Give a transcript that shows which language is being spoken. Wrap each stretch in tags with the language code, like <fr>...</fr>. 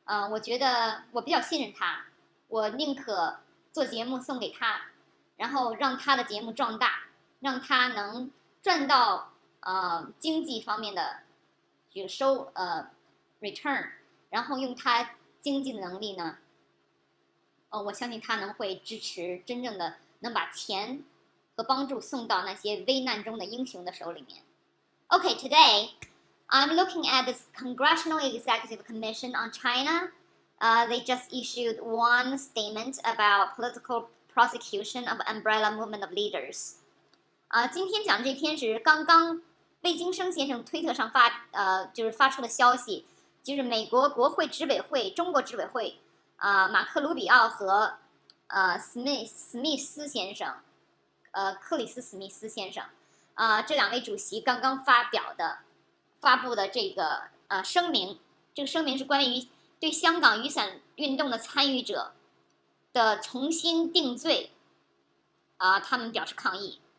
<zh>我觉得我比较信任他，我宁可做节目送给他，然后让他的节目壮大，让他能赚到经济方面的有收return，然后用他经济的能力呢，我相信他能会支持真正的。能把钱和帮助送到那些危难中的英雄的手里面。</zh> <en>Okay, today I'm looking at this Congressional Executive Commission on China. They just issued one statement about political prosecution of Umbrella Movement of Leaders.</en> <zh>今天讲这篇是刚刚魏京生先生推特上发出的消息，就是美国国会执委会、中国执委会，马克·卢比奥和。史密斯先生，克里斯·史密斯先生，这两位主席刚刚发布的这个声明，这个声明是关于对香港雨伞运动的参与者的重新定罪，他们表示抗议。</zh>